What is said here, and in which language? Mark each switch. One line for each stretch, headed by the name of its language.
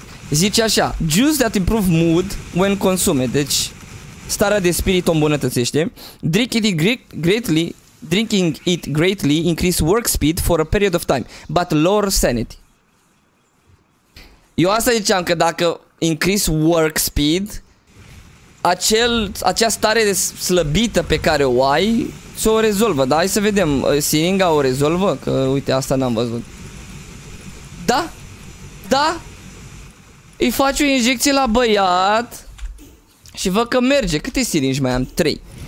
Romanian: Zice așa:
English: juice that improve mood when consumed.
Romanian: Deci starea de spirit o îmbunătățește.
English: Drink it greatly. Drinking it greatly increase work speed for a period of time, but lower sanity.
Romanian: Eu asta ziceam, că dacă
English: increase work speed,
Romanian: acea stare de slăbită pe care o ai, ți-o rezolvă. Da, hai să vedem, siringa o rezolvă? Că uite, asta n-am văzut. Da, da, îi faci o injecție la băiat și văd că merge. Câte siringi mai am? 3.